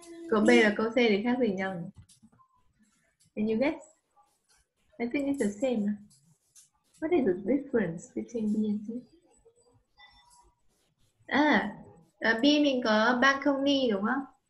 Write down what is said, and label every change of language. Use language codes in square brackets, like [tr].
[vi] Câu B là câu C thì khác gì nhau? [en] Can you guess? I think it's the same. What is the difference between B and C? [vi] B mình có balcony đúng không?